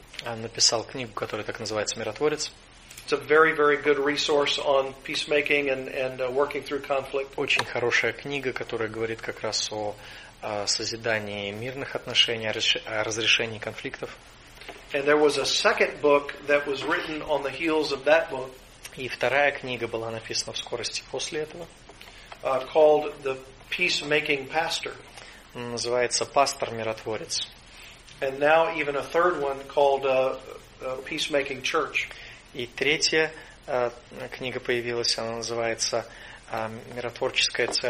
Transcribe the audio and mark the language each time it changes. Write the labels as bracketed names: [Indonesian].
[Russian] Написал книгу, которая так называется «Миротворец». [English] It's a very, very good resource on peacemaking and working through conflict. [Russian] Очень хорошая книга, которая говорит как раз о созидании мирных отношений, о разрешении конфликтов. [English] And there was a second book that was written on the heels of that book. [Russian] И вторая книга была написана в скорости после этого. [English] Called The Peacemaking Pastor. [Russian] Называется «Пастор-миротворец». [English] And now even a third one called Peacemaking Church. [Russian] И третья книга появилась, она называется «Миротворческая